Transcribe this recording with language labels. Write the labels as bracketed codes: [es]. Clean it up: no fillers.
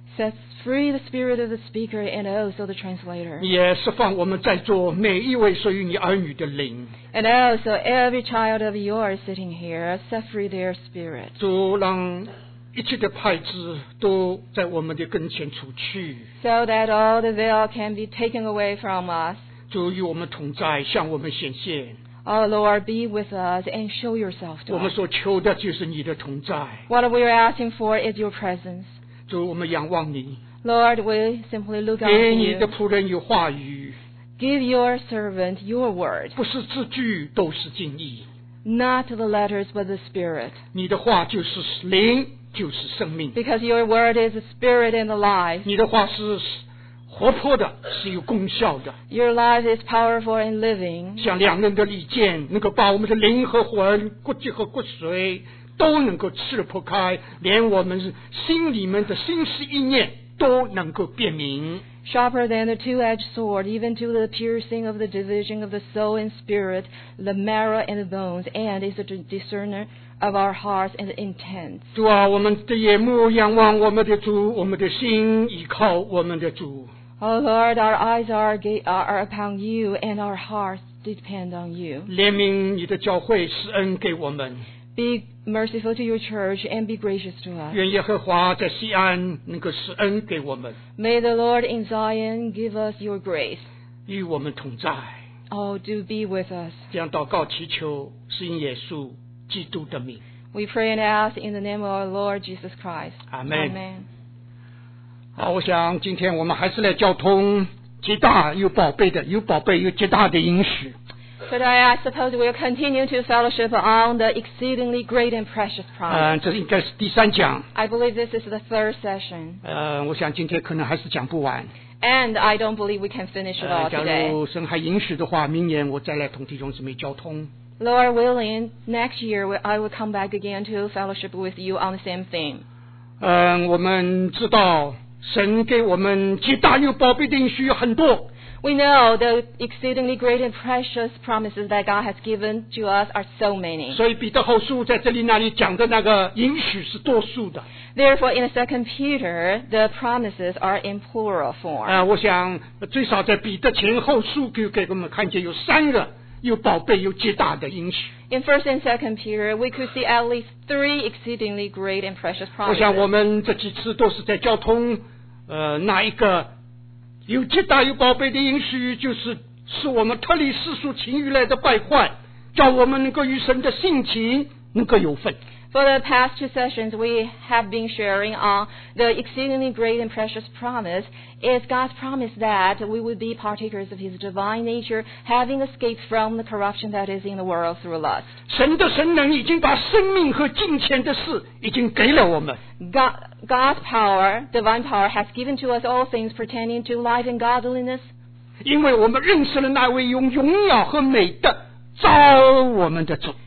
[en] Set free the spirit of the speaker and also the translator. [zh] 也释放我们在座每一位属于你儿女的灵。 [en] And also every child of yours sitting here, set free their spirit. [zh] 主让一切的派子都在我们的跟前除去。 [en] So that all the veil can be taken away from us. [zh] 主与我们同在，向我们显现。 [en] Oh Lord, be with us and show yourself to us. [zh] 我们所求的就是你的同在。 [en] What we are asking for is your presence. [zh] 主，我们仰望你。 [en] Lord, we simply look on you. [zh] 给你的仆人有话语。 [en] Give your servant your word. [zh] 不是字句，都是敬意。 [en] Not the letters, but the spirit. [zh] 你的话就是灵，就是生命。 [en] Because your word is the spirit and the life. [zh] 你的话是活泼的，是有功效的。 [en] Your life is powerful and living. [zh] 像两刃的利剑，能够把我们的灵和魂、骨肌和骨髓。都能够刺破开，连我们心里面的心思意念都能够辨明。 [en] Sharper than the two-edged sword, even to the piercing of the division of the soul and spirit, the marrow and the bones, and is a discerner of our hearts and intents. [zh] 主啊，我们的眼目仰望我们的主，我们的心依靠我们的主。 [en] Oh Lord, our eyes are upon you, and our hearts depend on you. [zh] 怜悯你的教会，施恩给我们。 [en] Be merciful to your church and be gracious to us. [zh] 愿耶和华在锡安能够施恩给我们。 [en] May the Lord in Zion give us your grace. [zh] 与我们同在。 [en] Oh, do be with us. [zh] 这样祷告祈求是因耶稣基督的名。 [en] We pray and ask in the name of our Lord Jesus Christ. Amen. Amen. [zh] 好，我想今天我们还是来交通极大又宝贝的，有宝贝又极大的应许。 [en] Today, I suppose we'll continue to fellowship on the exceedingly great and precious promise. [zh] 这应该是第三讲。 [en] I believe this is the third session. [zh] 我想今天可能还是讲不完。 [en] And I don't believe we can finish it all today. [zh] 假如神还允许的话，明年我再来同弟兄姊妹交通。 [en] Lord willing, next year I will come back again to fellowship with you on the same theme. [zh] 我们知道神给我们极大又宝贝的应许有很多。 [en] We know the exceedingly great and precious promises that God has given to us are so many. [zh] 所以彼得后书在这里那里讲的那个应许是多数的。 [en] Therefore, in 2 Peter, the promises are in plural form. [zh] 我想最少在彼得前后书给我们看见有三个又宝贝又极大的应许。 [en] In 1 and 2 Peter, we could see at least three exceedingly great and precious promises. [zh] 我想我们这几次都是在交通，那一个。有极大有宝贝的应许，就是使我们脱离世俗情欲来的败坏，叫我们能够与神的性情能够有份。 [en] For the past two sessions, we have been sharing on the exceedingly great and precious promise. It's God's promise that we would be partakers of His divine nature, having escaped from the corruption that is in the world through lust. [zh] 神的神能已经把生命和金钱的事已经给了我们。 [en] God's power, divine power, has given to us all things pertaining to life and godliness. [zh] 因为我们认识了那位用荣耀和美德造我们的主。